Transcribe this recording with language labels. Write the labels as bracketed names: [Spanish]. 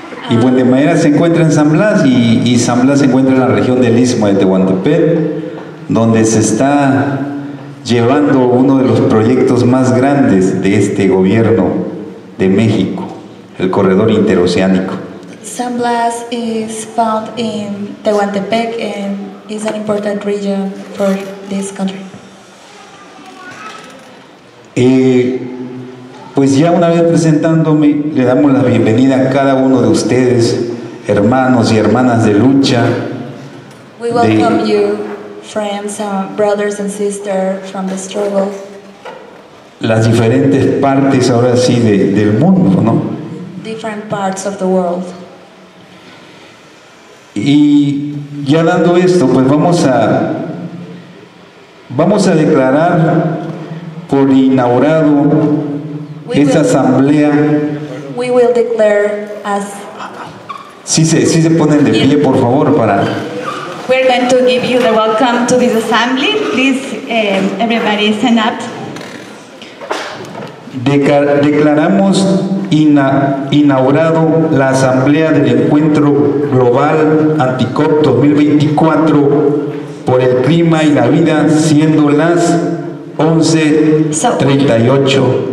[Spanish] Y Puente Madera se encuentra en San Blas y San Blas se encuentra en la región del Istmo de Tehuantepec, donde se está llevando uno de los proyectos más grandes de este gobierno de México, el corredor interoceánico. [English] San Blas is found in Tehuantepec and is an important region for this country. [Spanish] Pues ya una vez presentándome, le damos la bienvenida a cada uno de ustedes, hermanos y hermanas de lucha. [English] We welcome you, friends, brothers and sisters from the struggle. [Spanish] Las diferentes partes ahora sí del mundo, ¿no? [English] Different parts of the world. [Spanish] Y ya dando esto, pues vamos a declarar por inaugurado esta asamblea. [English] We will declare as. [Spanish] Si se ponen de pie, por favor, para. [English] We're going to give you the welcome to this assembly. Please, everybody, stand up. [Spanish] Declaramos inaugurado la Asamblea del Encuentro Global Anticop 2024 por el clima y la vida, siendo las 11:38.